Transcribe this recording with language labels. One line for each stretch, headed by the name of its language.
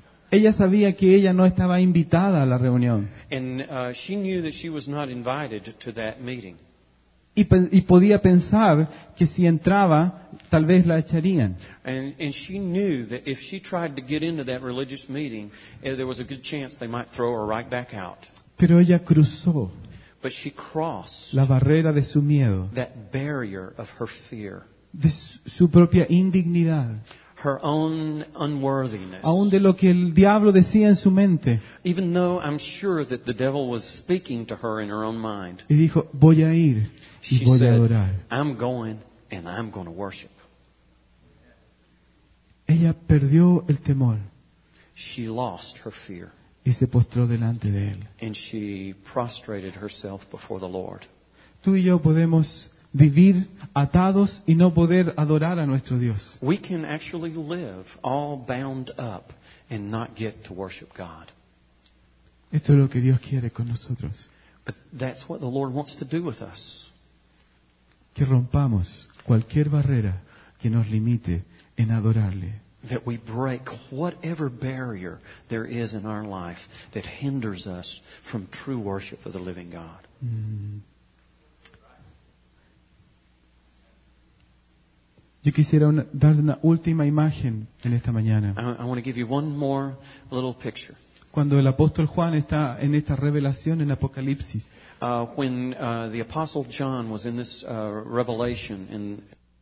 Spanish: Ella sabía que ella no estaba invitada a la reunión.
English: And she knew that she was not invited to that meeting.
Spanish: Y podía pensar que si entraba, tal vez la echarían.
English: And she knew that if she tried to get into that religious meeting, there was a good chance they might throw her right back out.
Spanish: Pero ella cruzó.
English: But she crossed
Spanish: la barrera de su miedo,
English: that barrier of her fear,
Spanish: de su propia indignidad,
English: her own unworthiness.
Spanish: Aún de lo que el diablo decía en su mente.
English: Even though I'm sure that the devil was speaking to her in her own mind.
Spanish: Y dijo, voy a ir y voy a adorar.
English: I'm going and I'm going to worship.
Spanish: Ella perdió el temor.
English: She lost her fear.
Spanish: Y se postró delante de él.
English: And she prostrated herself before the Lord.
Spanish: Tú y yo podemos vivir atados y no poder adorar a nuestro Dios.
English: We can actually live all bound up and not get to worship God.
Spanish: Esto es lo que Dios quiere con nosotros.
English: But that's what the Lord wants to do with us.
Spanish: Que rompamos cualquier barrera que nos limite en adorarle.
English: That we break whatever barrier there is in our life that hinders us from true worship of the living God.
Spanish: Yo quisiera dar una última imagen en esta mañana.
English: I want to give you one more little picture.
Spanish: Cuando el apóstol Juan está en esta revelación en Apocalipsis.
English: When the apostle John was in this revelation in Apocalipsis.